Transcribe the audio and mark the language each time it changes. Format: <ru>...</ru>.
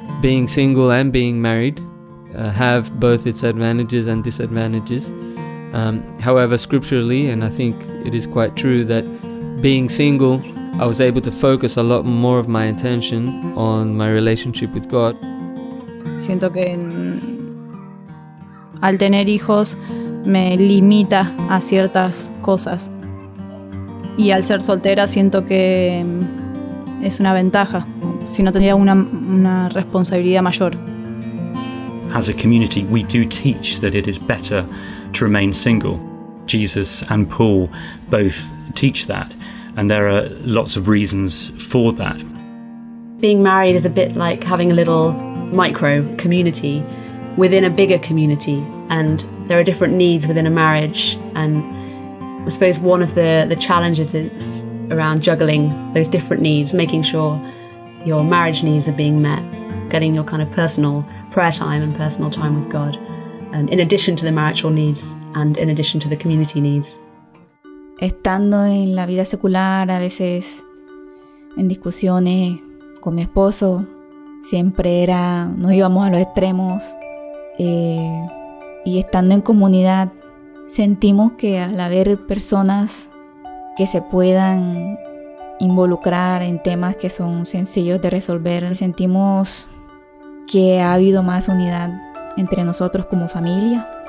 <en>Being single and being married have both its advantages and disadvantages. However, scripturally, and I think it is quite true, that being single, I was able to focus a lot more of my attention on my relationship with God.</en> <es>Siento que al tener hijos me limita a ciertas cosas. Y al ser soltera siento que es una ventaja, si no tendría una responsabilidad mayor.</es> <en>As a community, we do teach that it is better to remain single. Jesus and Paul both teach that, and there are lots of reasons for that. Being married is a bit like having a little micro community within a bigger community, and there are different needs within a marriage, and I suppose one of the challenges is around juggling those different needs, making sure your marriage needs are being met, getting your kind of personal prayer time and personal time with God, in addition to the marital needs and in addition to the community needs.</en> <es>Estando en la vida secular, a veces en discusiones con mi esposo, siempre era, nos íbamos a los extremos, y estando en comunidad, sentimos que al haber personas que se puedan involucrar en temas que son sencillos de resolver, sentimos que ha habido más unidad entre nosotros como familia,</es>